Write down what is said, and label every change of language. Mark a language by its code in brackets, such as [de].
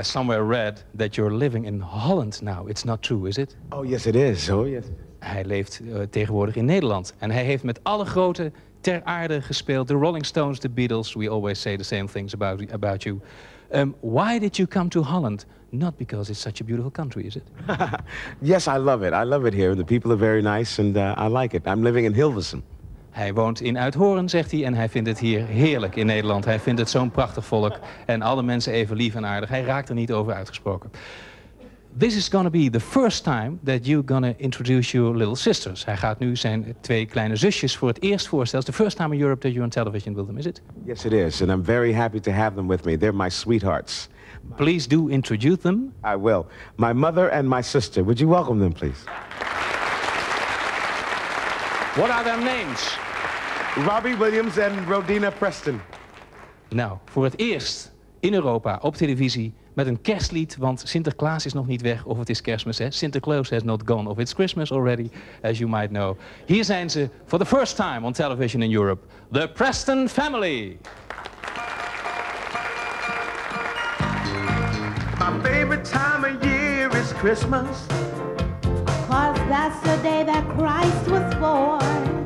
[en] I somewhere read that you're living in Holland now. It's not true, is it? Oh, yes it is. Oh, yes. [nl] Hij leeft tegenwoordig in Nederland en hij heeft met alle grote ter aarde gespeeld. [en] The Rolling Stones, the Beatles, we always say the same things about you. Why did you come to Holland? Not because it's such a beautiful country, is it? Yes, I love it. I love it here. The people are very nice and I like it. I'm living in Hilversum. [nl] Hij woont in Uithoorn, zegt hij, en hij vindt het hier heerlijk in Nederland. Hij vindt het zo'n prachtig volk en alle mensen even lief en aardig. Hij raakt er niet over uitgesproken. [en] This is going to be the first time that you're going to introduce your little sisters. [nl] Hij gaat nu zijn twee kleine zusjes voor het eerst voorstellen. [en] It's the first time in Europe that you're on television with them, is it? Yes, it is. And I'm very happy to have them with me. They're my sweethearts. Please do introduce them. I will. My mother and my sister. Would you welcome them, please? What are their names? Robbie Williams and Rodina Preston. [nl] Nou, voor het eerst in Europa op televisie met een kerstlied, want Sinterklaas is nog niet weg, of het is kerstmis, hè? [en] Sinterklaas has not gone, of it's Christmas already, as you might know. [nl] Hier zijn ze, [en] for the first time on television in Europe, the Preston family. My favorite time of year is Christmas, 'cause that's the day that Christ was born.